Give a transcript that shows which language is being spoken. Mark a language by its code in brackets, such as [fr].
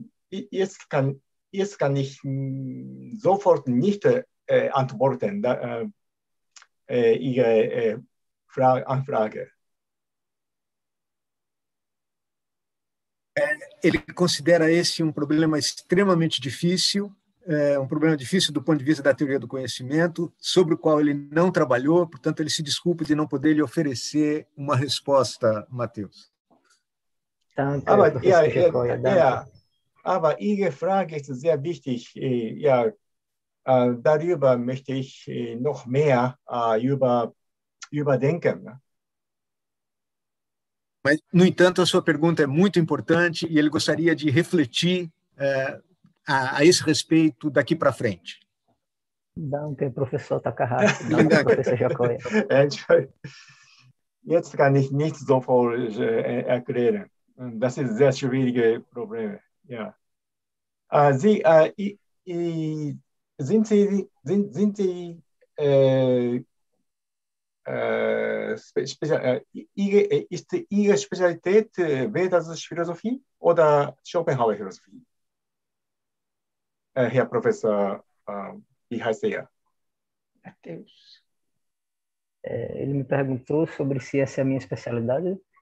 [de] Jetzt kann ich sofort nicht antworten Ihre Anfrage. [pt] Ele considera esse problema extremamente difícil, problema difícil do ponto de vista da teoria do conhecimento, sobre o qual ele não trabalhou, portanto, ele se desculpa de não poder lhe oferecer uma resposta, Matheus. [de] Aber Ihre Frage ist sehr wichtig. Darüber möchte ich noch mehr überdenken. [pt] Mas, no entanto, a sua pergunta é muito importante e ele gostaria de refletir a esse respeito daqui para frente. [de] Danke, Professor Takahashi. Danke, Professor Jetzt kann ich nicht so voll erklären. Das ist ein sehr schwieriges Problem. Ist Ihre Spezialität Vedas-Philosophie oder Schopenhauer-Philosophie? Herr Professor, wie heißt er? Matheus. [pt] Ele me perguntou sobre se essa é a minha especialidade.